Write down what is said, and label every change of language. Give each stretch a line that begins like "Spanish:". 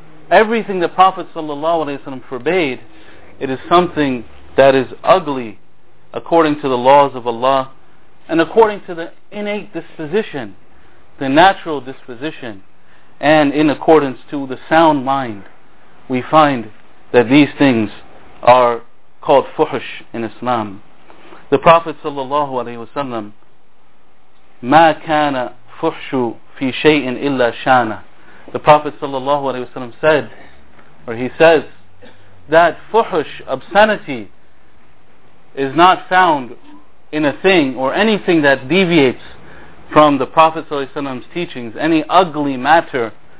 English: Everything the Prophet ﷺ forbade, it is something that is ugly according to the laws of Allah and according to the innate disposition, the natural disposition, and in accordance to the sound mind. We find that these things are called fuhush in Islam. The Prophet
Arabic: sallallahu alaihi wasallam, ما كان فحش في شيء إلا شانه.
English: The Prophet sallallahu alaihi wasallam said, or he says, that fuhush, obscenity, is not found in a thing or anything that deviates from the Prophet ﷺ's teachings, any ugly matter.